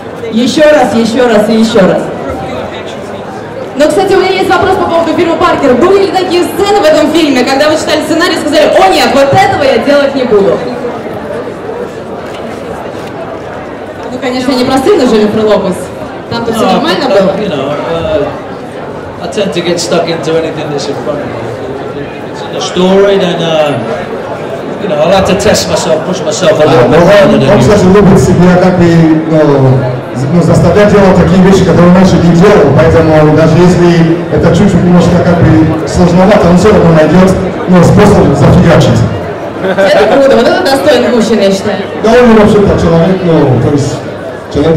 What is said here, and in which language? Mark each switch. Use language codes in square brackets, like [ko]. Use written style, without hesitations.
[ru] Еще раз, еще раз и еще раз. Но, кстати, у меня есть вопрос по поводу фильма «Паркер». Были ли такие сцены в этом фильме, когда вы читали сценарий и сказали: «О нет, вот этого я делать не буду»? Ну, конечно, не про сына же Дженнифер Лопес. Там-то все нормально было. [en] I tend to get stuck into anything that's in front of me. It's in a story, then, I like to test myself, push myself a little bit harder than you. [ru] Кстати, Лопес себя как бы, заставлять делать такие вещи, которые он раньше не делал, поэтому даже если это чуть-чуть немножко как бы сложновато, он все равно найдет способ зафигачить. Это круто, вот это достойный мужчина, я считаю. Да, он вообще-то человек, то есть человек...